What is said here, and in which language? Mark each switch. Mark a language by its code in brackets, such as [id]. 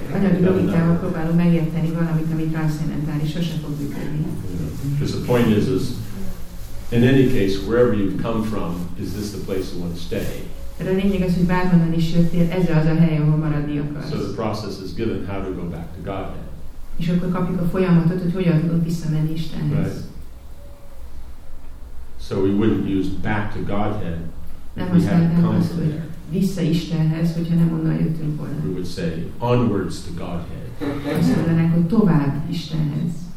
[hu] Anyagi logikával próbálunk megérteni valamit, ami transzcendentális, sose fog működni. [en] Because the point is in any case, wherever you've come from, is this the place you want to stay? [hu] De a lényeg az, hogy bárhonnan is jöttél, ez az a hely, ahol maradni akarsz. [en] So the process is given how to go back to Godhead. [hu] És akkor kapjuk a folyamatot, hogy hogyan tudunk visszamenni Istenhez. [en] So we wouldn't use back to Godhead. [hu] Nem használtam azt, hogy vissza Istenhez, hogyha nem onnan jöttünk volna. [en] We would say, onwards to Godhead. [hu] Azt mondanák, hogy tovább Istenhez.